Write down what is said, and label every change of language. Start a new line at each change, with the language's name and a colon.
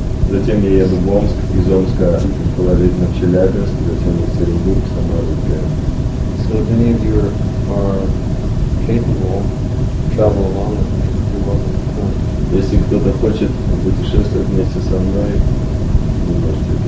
Russian: Затем я еду в Омск, из Омска предположительно в Челябинск, затем в Екатеринбург, Самару, Перм.
English: So if any of you are capable, travel along with me, if you want to.
Russian: Если кто-то хочет путешествовать вместе со мной, вы можете это